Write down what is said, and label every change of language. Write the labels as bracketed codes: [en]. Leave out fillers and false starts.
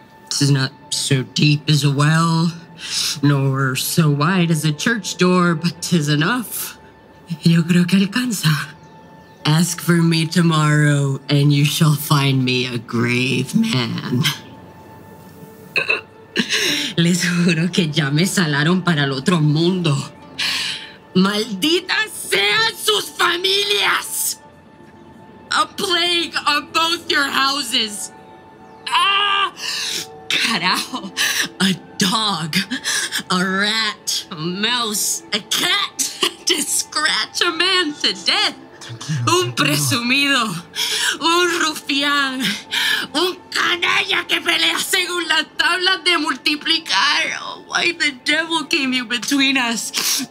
[en] This is not so deep as a well, nor so wide as a church door, but 'tis enough. [es] Yo creo que alcanza. [en] Ask for me tomorrow, and you shall find me a grave man. [es] Les juro que ya me salaron para el otro mundo. ¡Malditas sean sus familias! [en] A plague on both your houses. ¡Ah! Carajo. A dog. A rat. A mouse. A cat. To scratch a man to death. [es] Un presumido, un rufián, un canalla que pelea según las tablas de multiplicar. [en] Oh, why the devil came you between us?